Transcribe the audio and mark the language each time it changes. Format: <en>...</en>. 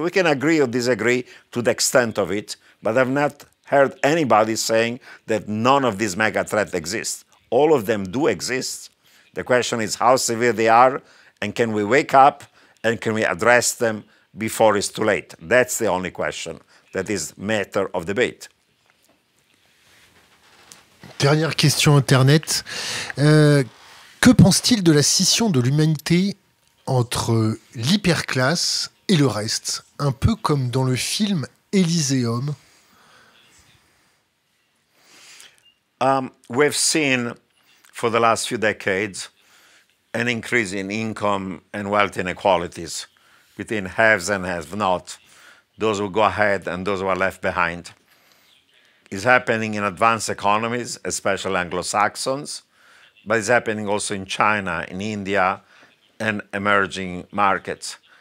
<en>We can agree or disagree to the extent of it, but I've not heard anybody saying that none of these mega threats exist. All of them do exist. The question is how severe they are, and can we wake up, and can we address them before it's too late? That's the only question that is matter of debate.</en> <fr>Dernière question Internet. Que pense-t-il de la scission de l'humanité entre l'hyperclasse et le reste, un peu comme dans le film Elysium?</fr> <en>We've seen for the last few decades an increase in income and wealth inequalities between haves and have-nots, those who go ahead and those who are left behind. It's happening in advanced economies, especially Anglo-Saxons, but it's happening also in China, in India, and emerging markets.</en>